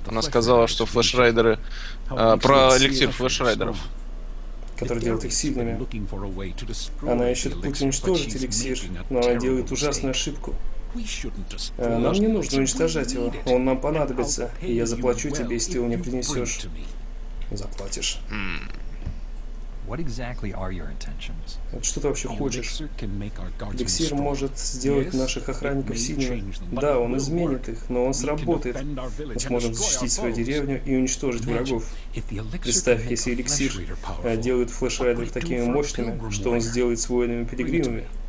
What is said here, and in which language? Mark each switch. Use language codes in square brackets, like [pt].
[ru] Она сказала, что флешрайдеры... про эликсир флешрайдеров. Который делает их сильными. Она ищет путь уничтожить эликсир, но она делает ужасную ошибку. Нам не нужно уничтожать его. Он нам понадобится, и я заплачу тебе, если ты его мне принесешь. Заплатишь. [en] What exactly are your intentions? [ru] Вот что ты вообще хочешь? Эликсир может сделать наших охранников сильными. Да, он изменит их, но он сработает. Мы сможем защитить свою деревню и уничтожить врагов. Представь, если эликсир делает флешрайдеров такими мощными, что он сделает с воинами-пилигримами.